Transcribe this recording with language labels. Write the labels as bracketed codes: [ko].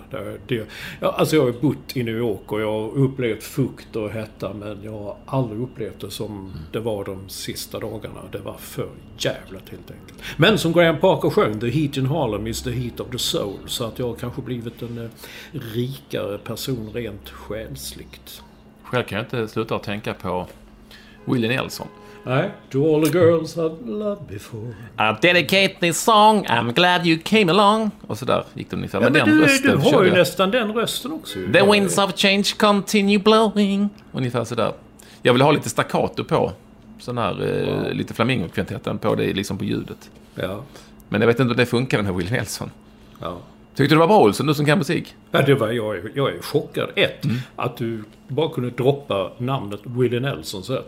[sv] Jag har bott i New York och jag har upplevt fukt och hetta, men jag har aldrig upplevt det som det var de sista dagarna. Det var för jävligt helt enkelt. Men som Graham Parker sjöng, [en] the heat in Harlem is the heat of the soul. [sv] Så att jag har kanske blivit en rikare person rent själsligt. Själv kan jag inte sluta att tänka på Willie Nelson. [en] To all the girls I've loved before. I dedicate this song, I'm glad you came along. [sv] Och så där gick de ungefär. Ja, men den du har ju nästan den rösten också. [en] The winds of change continue blowing. [sv] Ungefär så där. Jag vill ha lite staccato på. Sån här, lite flamingokvintetten på det, liksom på ljudet. Ja. Men jag vet inte om det funkar, den här Willie Nelson. Ja. Tyckte du var bra, Olsson, du som kan musik? Ja, det var, jag är chockad. Ett, att du bara kunde droppa namnet Willie Nelson. Så här.